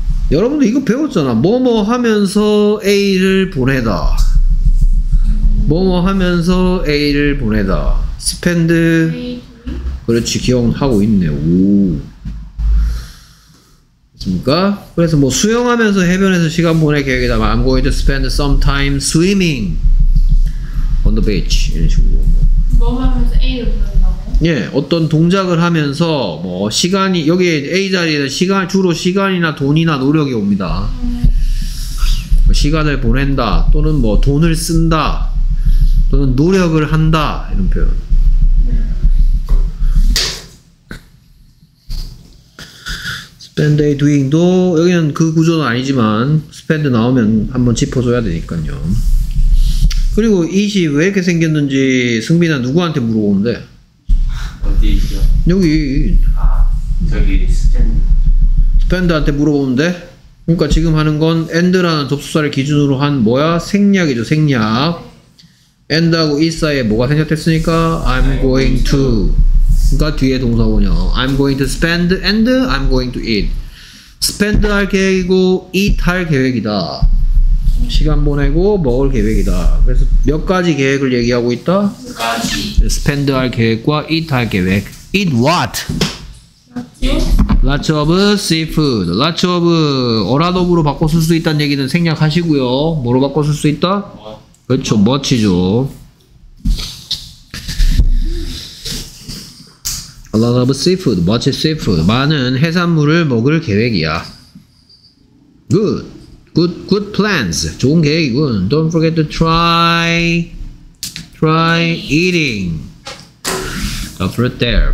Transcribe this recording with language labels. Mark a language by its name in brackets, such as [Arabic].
[Korean] 여러분도 이거 배웠잖아. 뭐뭐 하면서 A를 보내다. 뭐뭐 하면서 A를 보내다. Spend. 그렇지, 기억하고 있네. 오. 됐습니까? 그래서 뭐 수영하면서 해변에서 시간 보낼 계획이다. [English] I'm going to spend some time swimming on the beach. [Korean] 이런 식으로. 뭐하면서 A를 보낸다고? 예, 어떤 동작을 하면서 뭐 시간이 여기 A 자리에는 시간 주로 시간이나 돈이나 노력이 옵니다. 시간을 보낸다 또는 뭐 돈을 쓴다 또는 노력을 한다 이런 표현. 스펜드 A 두잉도 여기는 그 구조는 아니지만 스펜드 나오면 한번 짚어줘야 되니까요. 그리고 이시 왜 이렇게 생겼는지 승빈아 누구한테 물어보는데? 어디 있죠? 여기. 아 저기 스탠드. 스탠드한테 물어보는데? 그러니까 지금 하는 건 and라는 접속사를 기준으로 한 뭐야? 생략이죠, 생략. and하고 is 사이에 뭐가 생략됐으니까 I'm going to. 그러니까 뒤에 동사 원형. [English] I'm going to spend and I'm going to eat. [Korean] spend 할 계획이고 eat 할 계획이다. 시간 보내고 먹을 계획이다. 그래서 몇 가지 계획을 얘기하고 있다? 몇 가지. Spend 할 계획과 eat 할 계획. [English] Eat what? Lots of seafood. Lots of, or lot of로 [Korean] 바꿔 쓸 수 있다는 얘기는 생략하시고요. 뭐로 바꿔 쓸 수 있다? 그렇죠. much이죠. [English] A lot of seafood. Much seafood. [Korean] 많은 해산물을 먹을 계획이야. [English] Good. Good plans. [Korean] 좋은 계획이군. [English] Don't forget to try eating a fruit there.